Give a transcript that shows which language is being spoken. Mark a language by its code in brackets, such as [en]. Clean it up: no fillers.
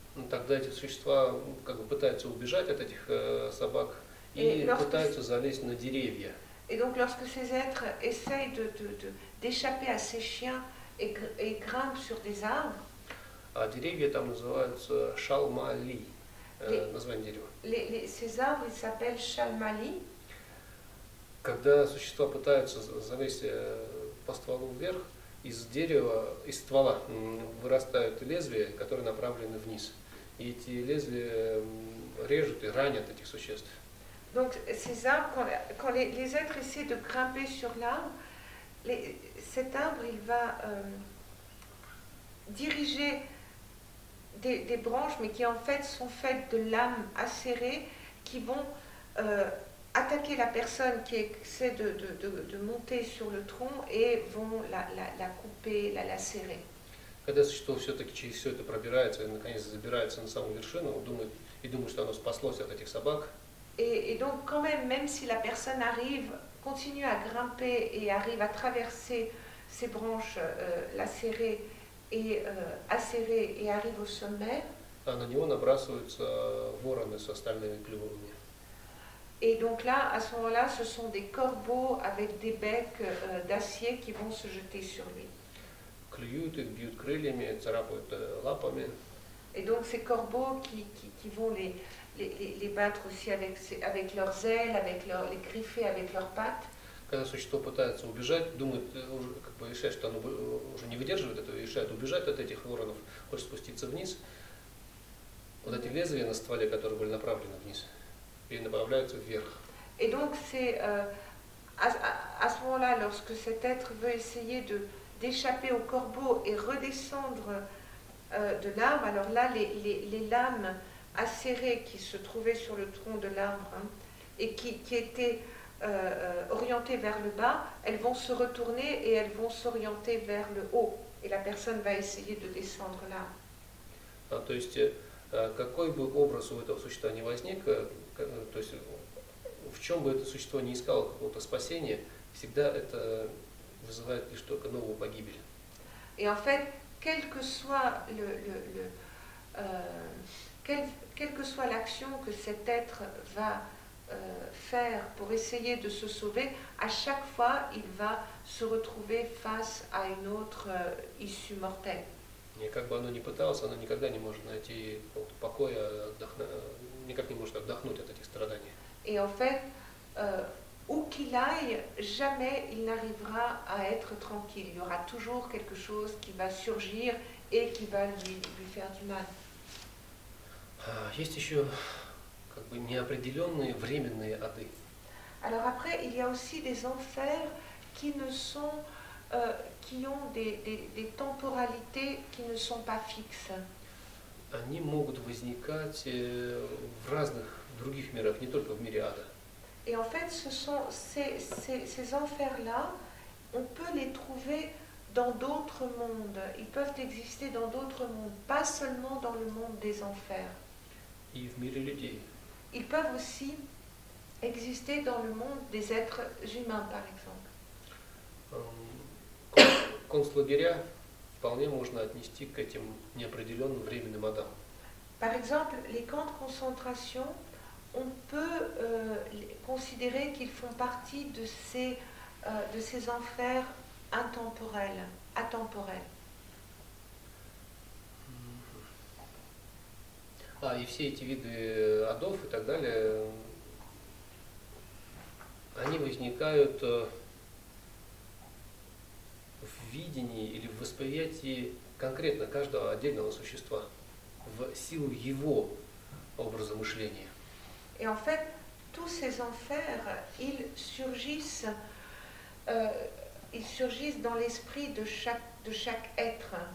[ru] Тогда эти существа как бы пытаются убежать от этих собак и пытаются залезть на деревья. [fr] Et donc lorsque ces êtres essayent d'échapper à ces chiens et grimpent sur des arbres. [ru] А деревья там называются шалмали. Название дерева. [fr] Ces arbres ils s'appellent шалмали. [ru] Когда существа пытаются залезть по стволу вверх, из дерева, из ствола вырастают лезвия, которые направлены вниз. И эти лезвия режут и ранят этих существ. [fr] Donc ces arbres, quand les êtres essaient de grimper sur l'arbre, cet arbre il va diriger des branches, mais qui en fait sont faites de lames acérées qui vont attaquer la personne qui essaie de monter sur le tronc et vont la couper, la lacérer. [ru] Когда существо все-таки через все это пробирается и наконец забирается на самую вершину, думает, что оно спаслось от этих собак. [fr] Et donc quand même si la personne arrive, continue à grimper et arrive à traverser ses branches lacérées et acérées et arrive au sommet. [ru] На него набрасываются вороны с остальными клювами. [fr] Et donc là, à ce moment-là, ce sont des corbeaux avec des becs d'acier qui vont se jeter sur lui. [ru] Клюют их, бьют крыльями, царапают лапами. [fr] Et donc ces corbeaux qui vont les battre aussi avec leurs ailes, les griffer avec leurs pattes. Quand un [ru] существо пытается убежать, думает, как бы решает, что оно уже не выдерживает этого, решает убежать от этих воронов, хочет спуститься вниз. Вот эти лезвия на стволе, которые были направлены вниз, и направляются вверх. [fr] Et donc c'est à ce moment-là, lorsque cet être veut essayer d'échapper au corbeau et redescendre de l'arbre, alors là les lames acérées qui se trouvaient sur le tronc de l'arbre hein, et qui étaient orientées vers le bas, elles vont se retourner et elles vont s'orienter vers le haut et la personne va essayer de descendre là. [ru] То есть какой бы образ у этого существа не возник, то есть в чем бы это существо не искало какого-то спасения, всегда это вызывает лишь только новую погибель. [fr] Et en fait quelle que soit l'action que cet être va faire pour essayer de se sauver, à chaque fois il va se retrouver face à une autre issue mortelle. [ru] Et как бы оно ни пыталось, оно никогда не может найти покоя, никак не может отдохнуть от этих страданий. [fr] Et en fait, où qu'il aille, jamais il n'arrivera à être tranquille. Il y aura toujours quelque chose qui va surgir et qui va lui faire du mal. [ru] Есть еще как бы неопределенные временные ады. [fr] Alors après, il y a aussi des enfers qui ne sont, qui ont des temporalités qui ne sont pas fixes. [ru] Они могут возникать в разных других мирах, не только в мире ада. [fr] Et en fait, ce sont ces enfers-là, on peut les trouver dans d'autres mondes. Ils peuvent exister dans d'autres mondes, pas seulement dans le monde des enfers. Ils peuvent aussi exister dans le monde des êtres humains, par exemple. [ru] Концлагеря вполне можно отнести к этим неопределенным временным адам. [fr] Par exemple, les camps de concentration, on peut considérer qu'ils font partie de ces enfers intemporels, atemporels. [ru] Ah, et все эти виды адов и так далее, они возникают в видении или в восприятии конкретно каждого отдельного существа в силу его образа мышления. [fr] Et en fait, tous ces enfers, ils surgissent ils surgissent dans l'esprit de chaque être.